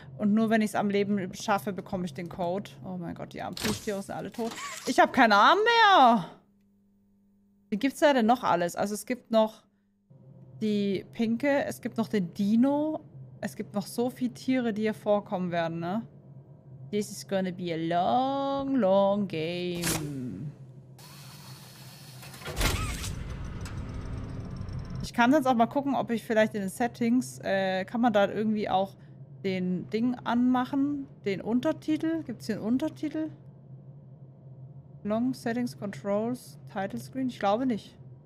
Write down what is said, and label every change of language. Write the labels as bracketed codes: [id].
[de] Und nur wenn ich es am Leben schaffe, bekomme ich den Code. Oh mein Gott, die Arme, die Tiere sind alle tot. Ich habe keinen Arm mehr. Wie gibt es da denn noch alles? Also es gibt noch die Pinke, es gibt noch den Dino. Es gibt noch so viele Tiere, die hier vorkommen werden, ne? [en] This is gonna be a long, long game. [de] Ich kann jetzt auch mal gucken, ob ich vielleicht in den Settings, kann man da irgendwie auch den Ding anmachen? Den Untertitel? Gibt es hier einen Untertitel? Long Settings, Controls, Title Screen? Ich glaube nicht.